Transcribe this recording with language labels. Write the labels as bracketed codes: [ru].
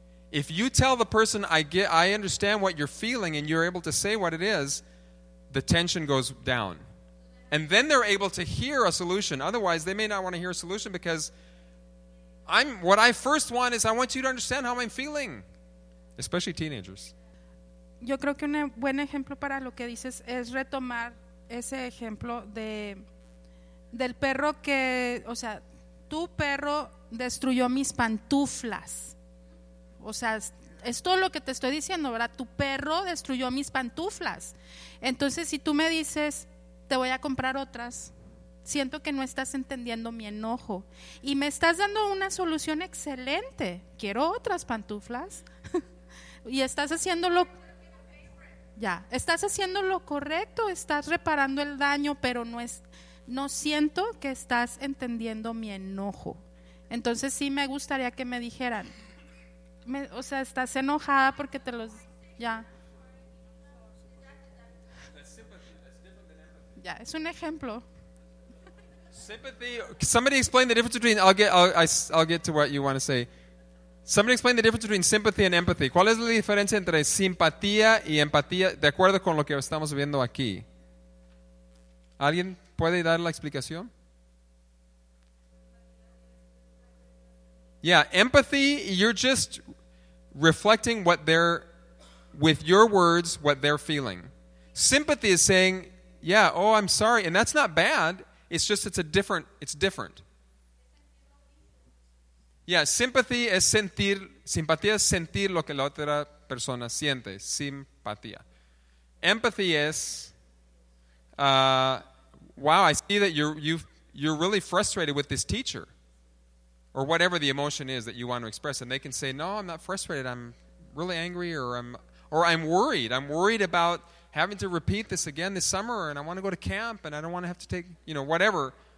[en] If you tell the person, I understand what you're feeling, and you're able to say what it is, the tension goes down. And then they're able to hear a solution. Otherwise, they may not want to hear a solution because... what I first want is I want you to understand how I'm feeling, especially teenagers. [es] Yo creo que un buen ejemplo para lo que dices es retomar ese ejemplo del perro que, o sea, tu perro destruyó mis pantuflas. O sea, es todo lo que te estoy diciendo, ¿verdad? Tu perro destruyó mis pantuflas. Entonces, si tú me dices, te voy a comprar otras, siento que no estás entendiendo mi enojo y me estás dando una solución excelente. Quiero otras pantuflas. Y estás haciendo lo correcto, estás reparando el daño, pero no siento que estás entendiendo mi enojo. Entonces sí me gustaría que me dijeran, estás enojada porque te los ya. Ya, es un ejemplo. [en] Sympathy. Somebody explain the difference between I'll get to what you want to say. Somebody explain the difference between sympathy and empathy. [es] ¿Cuál es la diferencia entre simpatía y empatía de acuerdo con lo que estamos viendo aquí? ¿Alguien puede dar la explicación? [en] Yeah, empathy, you're just reflecting what they're with your words, what they're feeling. Sympathy is saying, yeah, oh, I'm sorry, and that's not bad. It's just, it's different. Yeah, sympathy is [es] sentir, simpatía es sentir lo que la otra persona siente, simpatía. [en] Empathy is, wow, I see that you're really frustrated with this teacher, or whatever the emotion is that you want to express, and they can say, no, I'm not frustrated, I'm really angry, or I'm worried about having to repeat this again this summer, and I want to go to camp, and I don't want to have to take, you know, whatever.